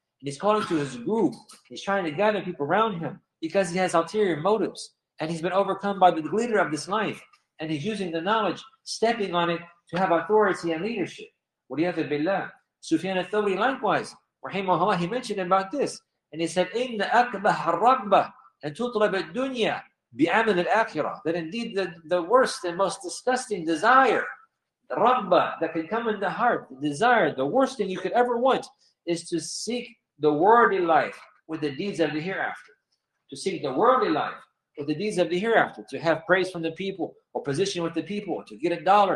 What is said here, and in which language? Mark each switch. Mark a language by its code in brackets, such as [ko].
[en] He's calling to his group. He's trying to gather people around him because he has ulterior motives. And he's been overcome by the leader of this life. And he's using the knowledge, stepping on it, to have authority and leadership. Waliyadhan billah. Sufyan al-Thawri likewise, rahimahullah, he mentioned about this. And he said, [ar] إِنَّ أَكْبَحَ الرَّغْبَةَ أَنْ تُطْلَبَ الدُّنْيَا بِعَمَلِ الْآخِرَةِ. [en] That indeed the worst and most disgusting desire, the ragba that can come in the heart, the desire, the worst thing you could ever want, is to seek the worldly life with the deeds of the hereafter. To seek the worldly life with the deeds of the hereafter. To have praise from the people or position with the people. To get a dollar.